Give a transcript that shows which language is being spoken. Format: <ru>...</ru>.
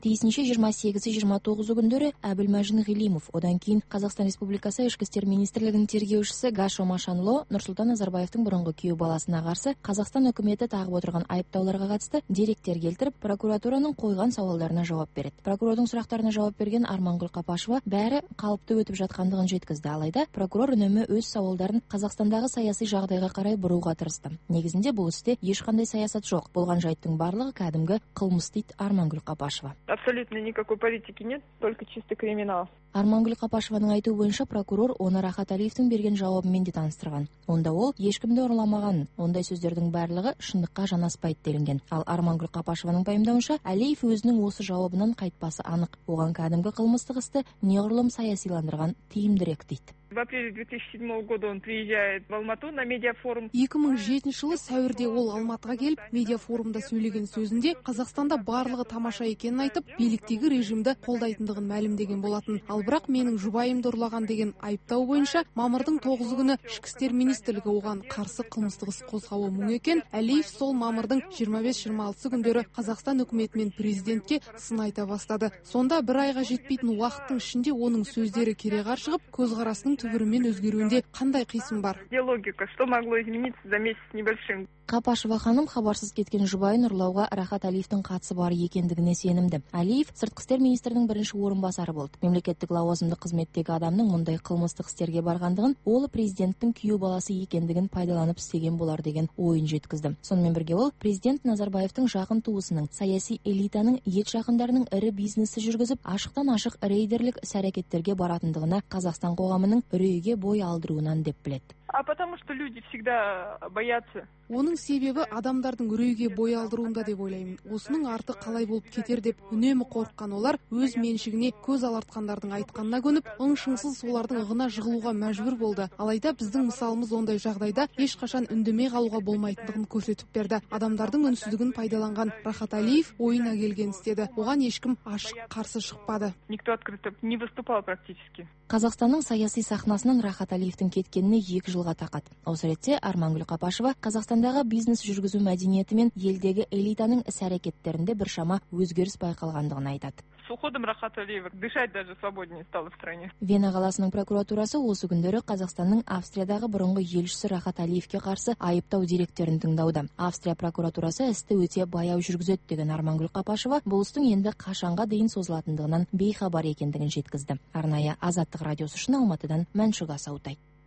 <kk>Тиісінше 28-29 күндері Әбілмәжін Ғилимов, одан кейін Қазақстан Республикасы ішкі істер министрлігінің тергеушісі Гашо Машанло Нұрсұлтан Назарбаевтың бұрынғы күйеу баласына қарсы Қазақстан үкіметі тағып отырған айыптауларға қатысты деректер келтіріп, прокуратураның қойған сауалдарына жауап береді. Прокурордың сұрақтарына жауап берген Армангүл Қапашева бәрі қалыпты өтіп жатқандығын жеткізді. Алайда прокурор үнемі өз сауалдарын Қазақстандағы саяси жағдайға қарай бұруға тырыстым. Негізінде бұл істе ешқандай саясат жоқ. Болған жайттың барлығы кәдімгі қылмыс, дейді Армангүл Қапашева.</kk> <ru>Абсолютно никакой политики нет, только чистый криминал.</ru> <kk>Армангүл Қапашеваның айтуы бойынша прокурор оны Рахат Алиевтің берген жауабымен де таныстырған. Онда ол ешкімді ұрламаған, ондай сөздердің барлығы шындыққа жанаспайды делінген. Ал Армангүл Қапашеваның пайымдауынша, Алиев өзінің осы жауабынан қайтпасы анық. Оған кәдімгі қылмыстық істі неғұрлым саясиландырған тиімдірек, дейді.</kk> <ru>В апреле 2007 года он приезжает в Алмату на медиафорум.</ru> <kk>2007 жылы сәуірде ол Алматыға келіп, медиафорумда сөйлеген сөзінде Қазақстанда барлығы тамаша екенін айтып, биліктегі режимді қолдайтындығын мәлімдеген болатын. Ал бірақ менің жұбайымды ұрлаған деген айыптау бойынша мамырдың 9 күні ішкі істер министрлігі оған қарсы қылмыстық іс қозғауы мүмкін екен. Әлиев сол мамырдың 25-26 күндері Қазақстан үкіметі мен президентке сын айта бастады. Сонда бір айға жетпейтін уақыттың ішінде оның сөздері кереғар шығып, көзқарасы түбірімен өзгеруінде қандай қисын бар?</kk> <ru>Диалогика, что могло измениться за месяц небольшим?</ru> <kk>Қапашева ханым хабарсыз кеткен жұбайын ұрлауға Рахат Алиевтің қатысы бар екендігіне сенімді. Алиев сыртқы істер министрінің бірінші орынбасары болды. Мемлекеттік лауазымды қызметтегі адамның мұндай қылмыстық істерге барғандығын ол президенттің күйеу баласы екендігін пайдаланып істеген болар деген ойын жеткізді. Сонымен бірге ол президент Назарбаевтың жақын туысының, саяси элитаның ет жақындарының ірі бизнесі жүргізіп, ашықтан-ашық рейдерлік іс-әрекеттерге баратындығына Қазақстан қоғамының үрейге бой алдыруынан деп біледі.</kk> <ru>А потому что люди всегда боятся</ru> <kk>Оның себебі адамдардың үрейге бой алдыруында деп ойлаймын. Осының арты қалай болып кетер деп үнемі қорыққан олар өз меншігіне көз алартқандардың айтқанына көніп, ұңшыңсыз солардың ығына жығылуға мәжбүр болды. Алайда біздің мысалымыз ондай жағдайда ешқашан үндемей қалуға болмайтындығын көрсетіп берді. Адамдардың үнсіздігін пайдаланған Рахат Алиев ойына келген істеді. Оған ешкім ашық қарсы шықпады.</kk> <ru>Никто открыто не выступал практически.</ru> <kk>Қазақстанның саяси сахнасынан Рахат Алиевтің кеткеніне 2 жылға тақады. Осы ретте Армангүл Қапашева Қазақстандағы бизнес жүргізу мәдениеті мен елдегі элитаның іс-әрекеттерінде біршама өзгеріс байқалғандығын айтады.</kk> <ru>С уходом Рахат Алиева дышать даже свободнее стало в стране.</ru> <kk>Вена қаласының прокуратурасы осы күндері Қазақстанның Австриядағы бұрынғы елшісі Рахат Алиевке қарсы айыптау деректерін тыңдауда. Австрия прокуратурасы істі өте баяу жүргізеді деген Армангүл Қапашева бұл істің енді қашанға дейін созылатындығынан бейхабар екендігін жеткізді. Арнайы Азаттық радиосы үшін Алматыдан Мәншүк Асаутай.</kk>